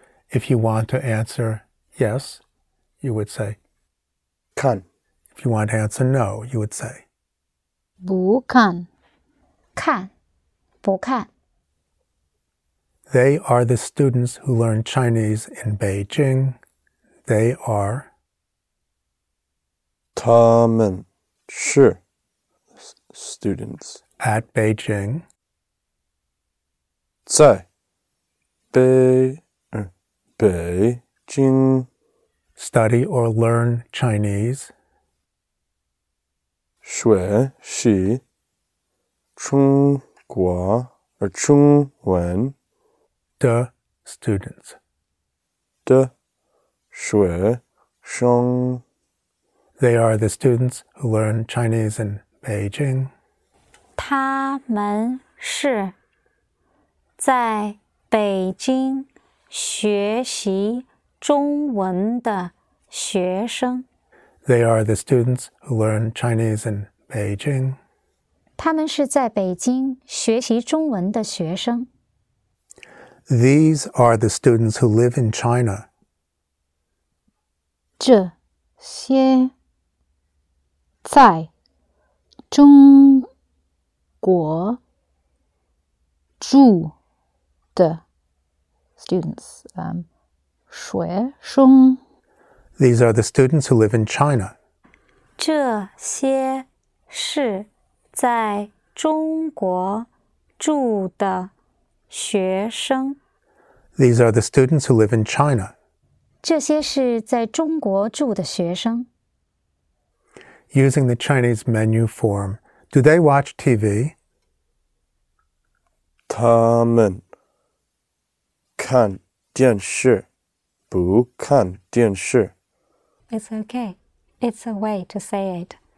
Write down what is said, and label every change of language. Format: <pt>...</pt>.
<en>If you want to answer yes, you would say</en> <zh>看.</zh> <en>If you want to answer no, you would say</en> <zh>不看看不看.</zh> <en>They are the students who learn Chinese in Beijing. They are</en> <zh>他们是</zh> <en>students at Beijing</en> <zh>在北京</zh> <en>study or learn Chinese</en> <zh>学习中国or 中文</zh> <en>的 students</en> <zh>的学生</zh> <en>They are the students who learn Chinese in Beijing.</en> <zh>他们是在北京学习中文的学生。</zh> <en>They are the students who learn Chinese in Beijing.</en> <zh>他们是在北京学习中文的学生。</zh> <en>These are the students who live in China.</en> <zh>这些在中国住的 students, 学生。</zh> <en>These are the students who live in China.</en> <zh>这些是在中国住的学生。</zh> <en>These are the students who live in China.</en> <zh>这些是在中国住的学生。</zh> <en>Using the Chinese menu form, do they watch TV?</en> <zh>他们看电视不看电视。</zh> <en>It's okay. It's a way to say it.</en>